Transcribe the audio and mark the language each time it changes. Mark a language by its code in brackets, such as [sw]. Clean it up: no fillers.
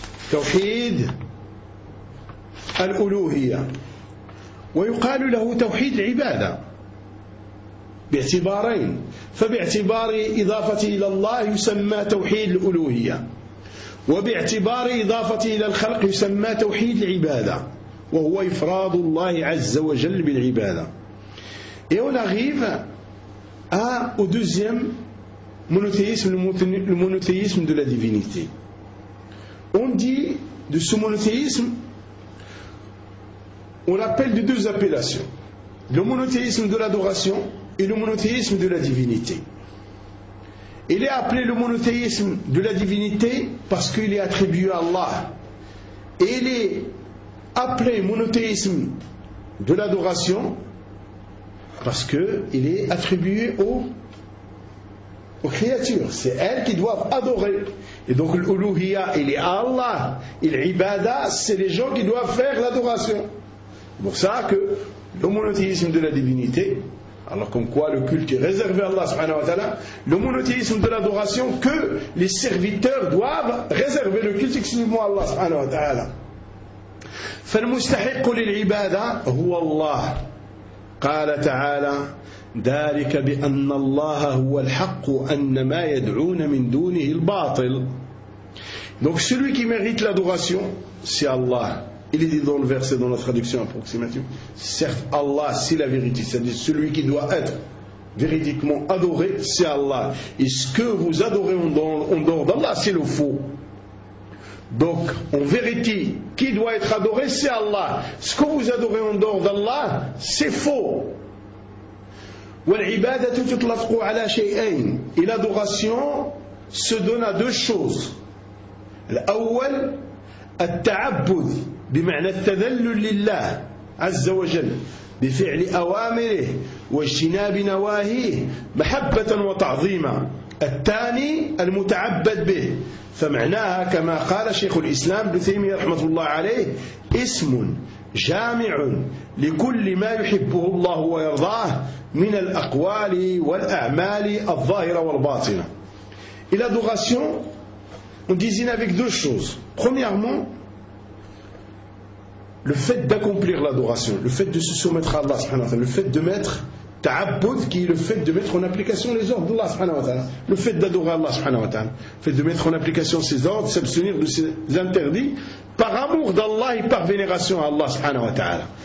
[ar] توحيد الألوهية. ويقال له توحيد العبادة. باعتبارين، فباعتبار إضافة إلى الله يسمى توحيد الألوهية، وباعتبار إضافة إلى الخلق يسمى توحيد العبادة، وهو إفراد الله عز وجل بالعبادة. [fr] Et on arrive à, au deuxième monothéisme, le monothéisme de la divinité. On dit de ce monothéisme, on appelle de deux appellations, le monothéisme de l'adoration et le monothéisme de la divinité. Il est appelé le monothéisme de la divinité parce qu'il est attribué à Allah. Et il est appelé monothéisme de l'adoration parce qu'il est attribué aux créatures. C'est elles qui doivent adorer. Et donc l'uluhiya, il est à Allah. Et l'ibada, c'est les gens qui doivent faire l'adoration. C'est pour ça que le monothéisme de la divinité, alors comme quoi le culte est réservé à Allah subhanahu wa ta'ala, le monothéisme de l'adoration, que les serviteurs doivent réserver le culte exclusivement à Allah subhanahu wa ta'ala. [ar] فالمستحق للعبادة هو الله. قال تعالى ذلك بأن الله هو الحق أن ما يدعون من دونه الباطل. [fr] Donc celui qui mérite l'adoration, c'est Allah. Il est dit dans le verset, dans la traduction approximative, certes Allah c'est la vérité, c'est-à-dire celui qui doit être véridiquement adoré, c'est Allah. Et ce que vous adorez en dehors d'Allah, c'est le faux. Donc en vérité, qui doit être adoré, c'est Allah. Ce que vous adorez en dehors d'Allah, c'est faux. [ar] وَالْعِبَادَةُ تُطْلَفْقُ عَلَى شَيْئَيْنِ. [fr] Et l'adoration se donne à deux choses. [ar] الأول التعبد بمعنى التذلل لله عز وجل بفعل أوامره واجتناب نواهيه محبة وتعظيما. الثاني المتعبد به، فمعناها كما قال شيخ الإسلام ابن تيمية رحمة الله عليه اسم جامع لكل ما يحبه الله ويرضاه من الأقوال والأعمال الظاهرة والباطنة. [fr] إلى دوغاسيون on disait avec deux choses. Premièrement, le fait d'accomplir l'adoration, le fait de se soumettre à Allah subhanahu wa ta'ala, le fait de mettre ta'abbud, qui est le fait de mettre en application les ordres d'Allah subhanahu wa ta'ala, le fait d'adorer Allah subhanahu wa ta'ala, le fait de mettre en application ses ordres, s'abstenir de ses interdits, par amour d'Allah et par vénération à Allah subhanahu wa ta'ala.